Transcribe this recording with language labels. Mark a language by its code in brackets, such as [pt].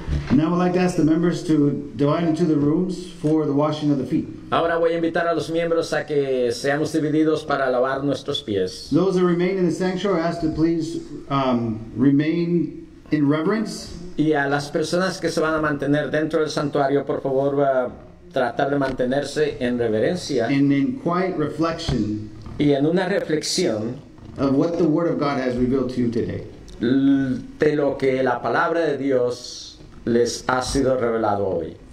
[en] Now I'd like to ask the members to divide into the rooms for the washing of the feet. [es] Ahora voy a invitar a los miembros a que seamos divididos para lavar nuestros pies. [en] Those that remain in the sanctuary are asked to please remain in reverence. [es] Y a las personas que se van a mantener dentro del santuario, por favor, tratar de mantenerse en reverencia. [en] And in quiet reflection. [es] Y en una reflexión. [en] Of what the Word of God has revealed to you today. [es] De lo que la palabra de Dios les ha sido revelado hoy.